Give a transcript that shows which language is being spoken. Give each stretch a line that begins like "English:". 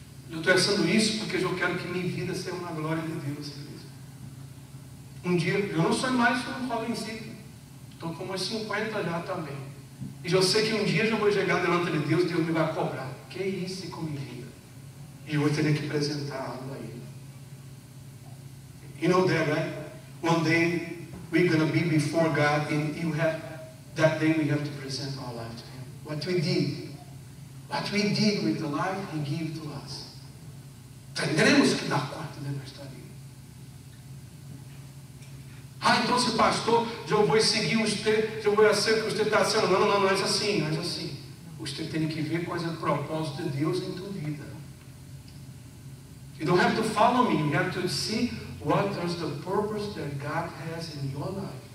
Portuguese: Eu estou pensando isso porque eu quero que minha vida seja uma glória de Deus. Um dia, eu não sou mais um jovenzinho, estou com uns 50 já também. E eu sei que um dia eu vou chegar diante de Deus e Deus me vai cobrar. Que isso com minha vida? E eu teria que apresentar algo a Ele.
English: You know that, right? One day we're going to be before God and you have, that day we have to present our life to Him. What we did. What we did with the life He gave to us.
Portuguese: Teremos que dar conta da nossa vida. Ah, então se pastor, eu vou seguir usted, eu vou fazer o que você está dizendo. Não, não, não, é assim. Você tem que ver quais é o propósito de Deus em tua vida.
English: You don't have to follow me, you have to see what is the purpose that God has in your life.